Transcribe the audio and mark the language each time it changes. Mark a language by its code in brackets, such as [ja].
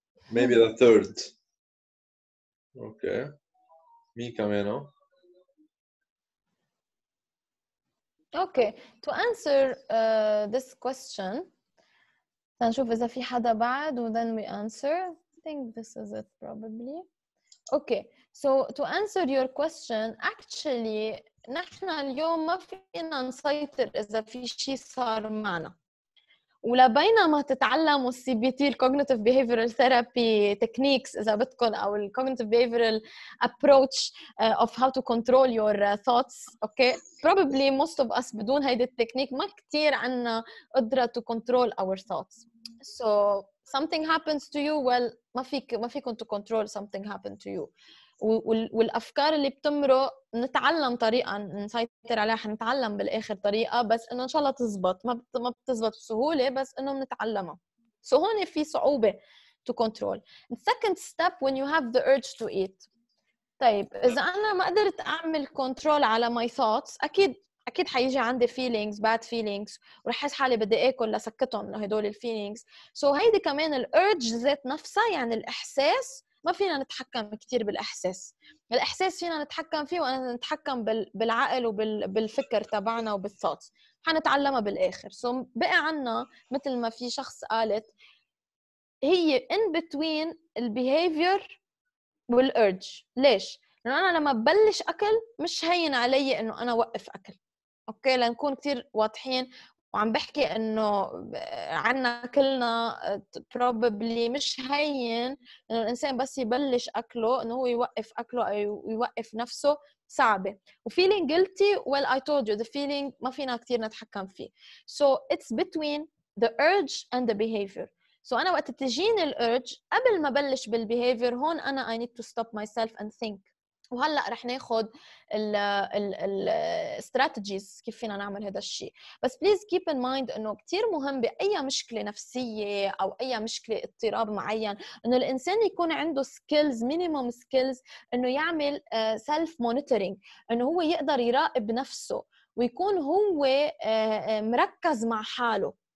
[en] Maybe the third. Okay. Me, Camino. Okay. To answer this question, [ar] نشوف إذا في حدا بعد, [en] and then we answer. I think this is it probably. Okay. So to answer your question, actually, [ar] نحن اليوم ما فينا نسيطر إذا في شيء صار معنا. ولبينما تتعلموا [en] CBT, Cognitive Behavioral Therapy Techniques [ar] إذا بدكم, أو [en] Cognitive Behavioral Approach of how to control your thoughts, okay? Probably most of us [ar] بدون هيدا التكنيك ما كتير عنا قدرة [en] to control our thoughts. So something happens to you, well, [ar] ما فيكم [en] to control something happened to you. [ar] والأفكار اللي بتمره نتعلم طريقة نسيطر عليها, نتعلم بالآخر طريقة, بس إنه إن شاء الله تزبط. ما بتزبط بسهولة, بس إنه نتعلمها. So هون في صعوبة [en] to control. And second step, when you have the urge to eat. [ar] طيب إذا أنا ما قدرت أعمل control على [en] my thoughts, [ar] أكيد حيجي عندي feelings, [en] bad feelings, [ar] ورح أحس حالي بدي أكل لسكتهم هدول الفيلينجز. So هيدي كمان الأرج ذات نفسها, يعني الإحساس. ما فينا نتحكم كتير بالإحساس. الإحساس فينا نتحكم فيه, وأنا نتحكم بالعقل وبالفكر تبعنا وبالثوتس. حنتعلمها بالآخر. So بقى عنا مثل ما في شخص قالت, هي [en] in between [ar] البيهيفير والأرج. ليش؟ لأنه أنا لما ببلش أكل مش هين علي أنه أنا وقف أكل. أوكي, لنكون كتير واضحين. وعم بحكي انه عنا كلنا probably مش هين انه الانسان بس يبلش اكله انه هو يوقف اكله او يوقف نفسه. صعبة. [en] وfeeling guilty, well I told you the feeling [ar] ما فينا كتير نتحكم فيه. [en] So it's between the urge and the behavior. [ar] So انا وقت تجيني الurge قبل ما بلش بالbehavior, هون انا [en] I need to stop myself and think. [ar] وهلأ رح ناخد الـ strategies كيف فينا نعمل هذا الشيء. بس [en] please keep in mind [ar] أنه كتير مهم بأي مشكلة نفسية أو أي مشكلة اضطراب معين أنه الإنسان يكون عنده skills, [en] minimum skills, [ar] أنه يعمل self-monitoring, أنه هو يقدر يراقب نفسه ويكون هو مركز مع حاله.